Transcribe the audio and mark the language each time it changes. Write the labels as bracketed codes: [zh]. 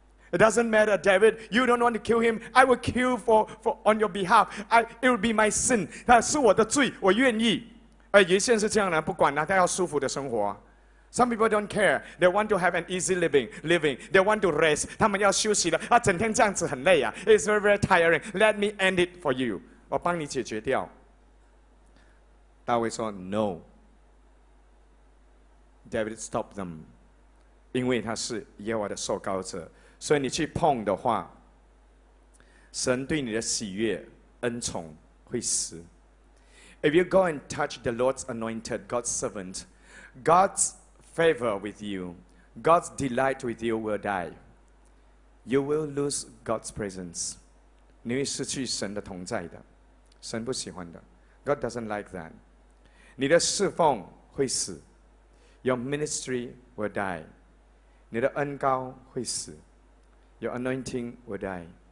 [en] It doesn't matter, David, you don't want to kill him, I will kill for on your behalf, it will be my sin, [zh] 那是我的罪，我愿意。有些人是这样的，不管了，他要舒服的生活。 [en] Some people don't care, they want to have an easy living, they want to rest, [zh] 他们要休息了，整天这样子很累啊， [en] it's very very tiring, let me end it for you, [zh] 我帮你解决掉。大卫说 [en] no, David stop them, [zh] 因为他是耶和华的受膏者，所以你去碰的话，神对你的喜悦恩宠会死。 [en] If you go and touch the Lord's anointed, God's servant, God'sfavor with you, God's delight with you will die. You will lose God's presence. [zh] 你会失去神的同在的，神不喜欢的。 [en] God doesn't like that. [zh] 你的侍奉会死， [en] Your ministry will die. [zh] 你的恩膏会死， [en] Your anointing will die.